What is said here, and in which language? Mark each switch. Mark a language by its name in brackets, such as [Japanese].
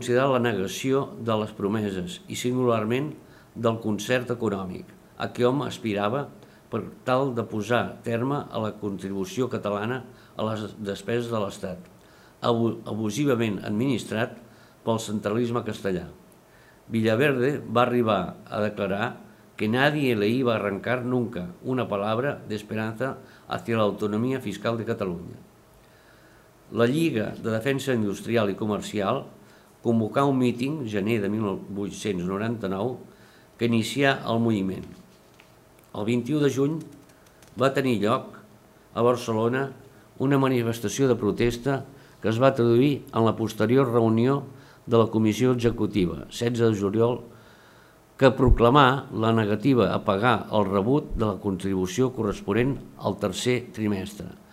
[Catalan] la negació de les promeses i singularment del concert econòmic a què hom aspirava per tal de posar terme a la contribució catalana a les despeses de l'Estat, abusivament administrat pel centralisme castellà. [Spanish] Villaverde [Catalan] va arribar a declarar que [Spanish] nadie le iba a arrancar nunca una palabra de esperanza hacia la autonomía fiscal de Catalunya. [Catalan] La Lliga de Defensa Industrial i Comercial convocà un míting, gener de 1899, que inicià el moviment. El 21 de juny va tenir lloc a Barcelona una manifestació de protesta que es va traduir en la posterior reunió de la Comissió Executiva, 16 de juliol, que proclamà la negativa a pagar el rebut de la contribució corresponent al tercer trimestre.